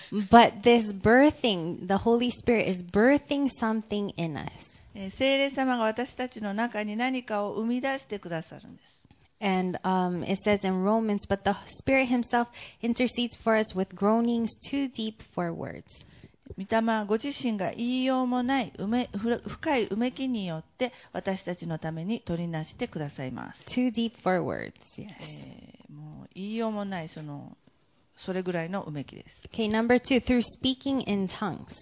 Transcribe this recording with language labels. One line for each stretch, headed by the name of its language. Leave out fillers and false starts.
English: But this birthing, the Holy Spirit is birthing something in us.
Japanese: 聖霊様が私たちの中に何かを生み出してくださるんです。
English: And it says in Romans, but the Spirit Himself intercedes for us with groanings too deep for words.
Japanese: 御霊ご自身が言いようもない深いうめきによって私たちのために取りなしてくださいます。
English: Too deep for words, yes.
Japanese: もう言いようもないそれぐらいのうめきです。
English: Okay, number two, through speaking in tongues.